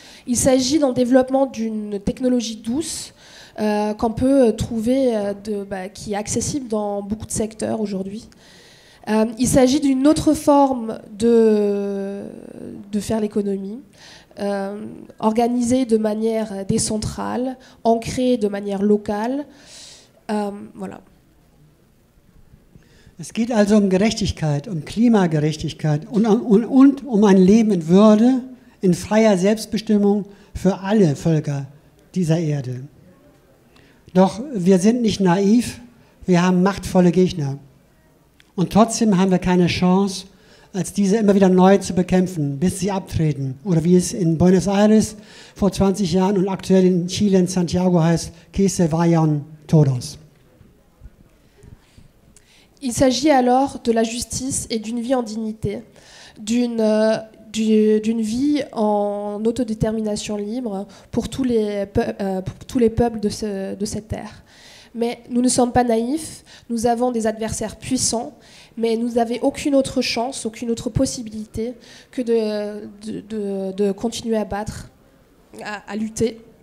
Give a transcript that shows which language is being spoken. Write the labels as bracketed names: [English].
[French] Il s'agit d'un développement d'une technologie douce qu'on peut trouver, qui est accessible dans beaucoup de secteurs aujourd'hui. Il s'agit d'une autre forme de faire l'économie. Organisé de manière décentrale, ancré de manière locale. Voilà. [German] Es geht also um Gerechtigkeit, um Klimagerechtigkeit und um ein Leben in Würde, in freier Selbstbestimmung für alle Völker dieser Erde. Doch wir sind nicht naiv, wir haben machtvolle Gegner. Und trotzdem haben wir keine Chance, als diese immer wieder neu zu bekämpfen, bis sie abtreten. Oder wie es in Buenos Aires vor 20 Jahren und aktuell in Chile, in Santiago heißt, [Spanish] que se vayan todos. [French] Il s'agit alors de la justice et d'une vie en dignité, d'une vie en autodétermination libre pour tous les peuples de cette terre. Mais nous ne sommes pas naïfs, nous avons des adversaires puissants, mais nous n'avons aucune autre chance, aucune autre possibilité que de continuer à battre, à lutter